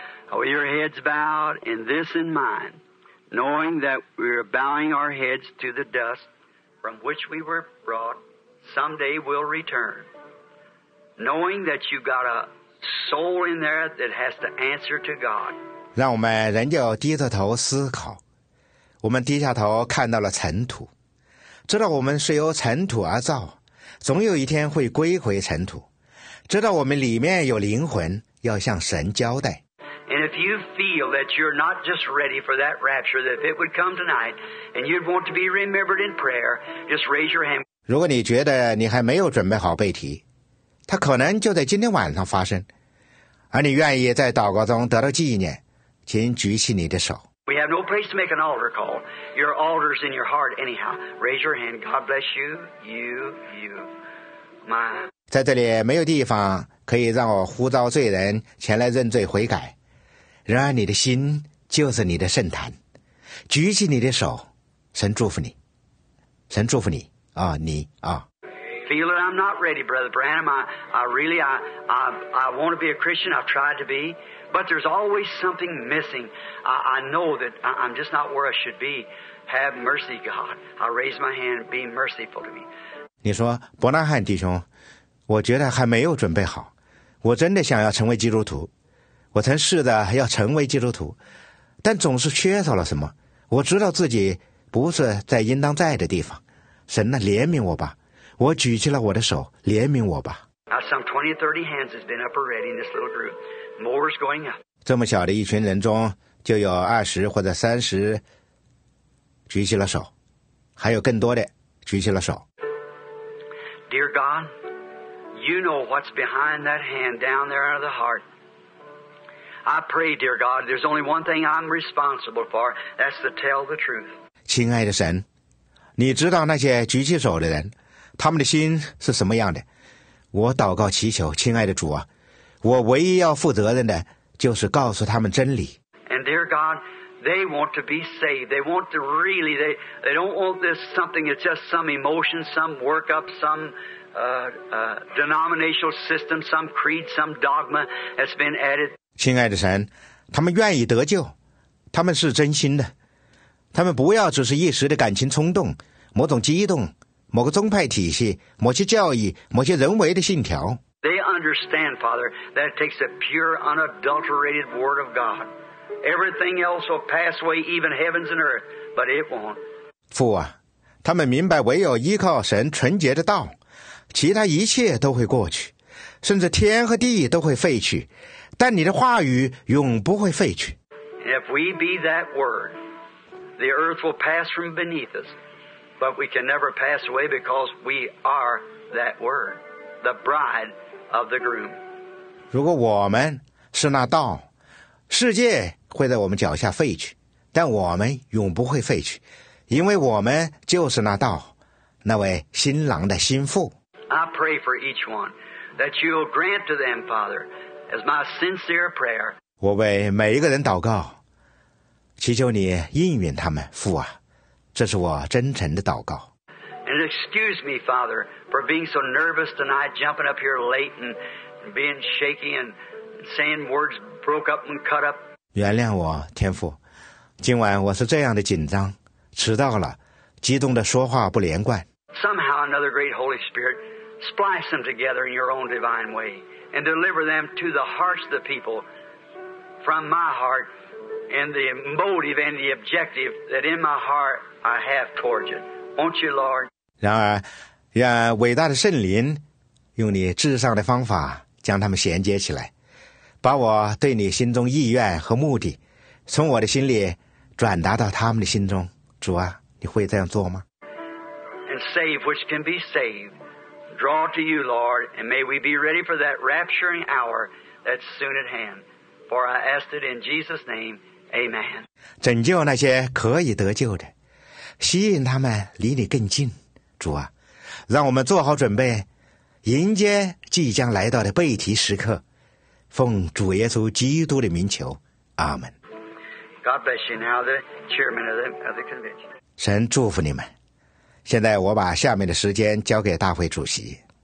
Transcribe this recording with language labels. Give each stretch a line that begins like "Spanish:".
English: With your heads bowed in this in mind, knowing that we're bowing our heads to the dust from which we were brought, someday we'll return. Knowing that you've got a soul in there that has to answer to God.
Chinese: 让我们仍旧低着头思考。我们低下头看到了尘土，知道我们是由尘土而造，总有一天会归回尘土，知道我们里面有灵魂，要向神交代。
English: And if you feel that you're not just ready for that rapture, that if it would come tonight, and you'd want to be remembered in prayer, just raise your hand.
Chinese: 如果你觉得你还没有准备好被提，它可能就在今天晚上发生，而你愿意在祷告中得到纪念，请举起你的手。
English: We have no place to make an altar call. Your altar's in your heart anyhow. Raise your hand. God bless you. You. My.
Chinese: 在这里没有地方可以让我呼召罪人前来认罪悔改。然而你的心就是你的圣坛。举起你的手，神祝福你。神祝福你啊、哦、你啊。哦
English: Feel it? I'm not ready, Brother Branham. I really want to be a Christian. I've tried to be, but there's always something missing. I know that I'm just not where I should be. Have mercy, God. I raise my hand. Be merciful to me.
Chinese: 你说，伯纳汉弟兄，我觉得还没有准备好。我真的想要成为基督徒。我曾试着要成为基督徒，但总是缺少了什么。我知道自己不是在应当在的地方。神呐，怜悯我吧。我举起了我的手，怜悯我吧。
English: Some 20-30 hands has been up already in this little group. More is going up.
Chinese: 这么小的一群人中，就有
English: 20 or 30
Chinese: 举起了手，还有更多的举起了手。
English: Dear God, you know what's behind that hand down there under the heart. I pray, dear God, there's only one thing I'm responsible for. That's to tell the truth.
Chinese: 亲爱的神，你知道那些举起手的人。他们的心是什么样的？我祷告祈求，亲爱的主啊，我唯一要负责任的就是告诉他们真理。
English: And dear God, they want to be saved. They want to really. They don't want this something. It's just some emotion, some workup, some denominational system, some creed, some dogma that's been added.
Chinese: 亲爱的神，他们愿意得救，他们是真心的，他们不要只是一时的感情冲动，某种激动。某个宗派体系，某些教义，某些人为的信条。
English: They understand, Father, that it takes a pure, unadulterated word of God. Everything else will pass away, even heavens and earth, but it won't.
Chinese: 父啊，他们明白唯有依靠神纯洁的道，其他一切都会过去，甚至天和地都会废去，但你的话语永不会废去。
English: And if we be that word, the earth will pass from beneath us. But we can never pass away because we are that word, the bride of the groom.
Chinese: 如果我们是那道，世界会在我们脚下废去，但我们永不会废去，因为我们就是那道，那位新郎的心腹。
English: I pray for each one that you will grant to them, Father, as my sincere prayer.
Chinese: 我为每一个人祷告，祈求你应允他们，父啊。这是我真诚的祷告。
English: And excuse me, Father, for being so nervous tonight, jumping up here late and being shaky and saying words broke up and cut up.
Chinese: 原谅我，天父，今晚我是这样的紧张，迟到了，激动的说话不连贯。
English: Somehow another great Holy Spirit splice them together in your own divine way and deliver them to the hearts of the people from my heart. And the motive and the objective that in my heart I have towards you, won't you, Lord?
Chinese: 然而，让伟大的圣灵用你至上的方法将他们衔接起来，把我对你心中意愿和目的从我的心里转达到他们的心中。主啊，你会这样做吗
English: ？And save which can be saved, draw to you, Lord, and may we be ready for that rapturing hour that's soon at hand. For I ask it in Jesus' name. Amen.
Chinese: 拯救那些可以得救的，吸引他们离你更近，主啊，让我们做好准备，迎接即将来到的被提时刻。奉主耶稣基督的名求，阿门。
English: God bless you now, the chairman of the convention.
Chinese: 神祝福你们。现在我把下面的时间交给大会主席。